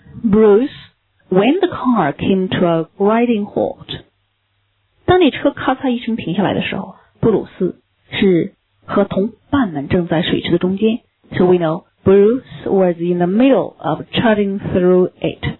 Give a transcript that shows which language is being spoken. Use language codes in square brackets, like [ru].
[en] Bruce, when the car came to a grinding halt. [zh] 当那车咔嚓一声停下来的时候，布鲁斯是和同伴们正在水池的中间。 [en] So we know Bruce was in the middle of chugging through it.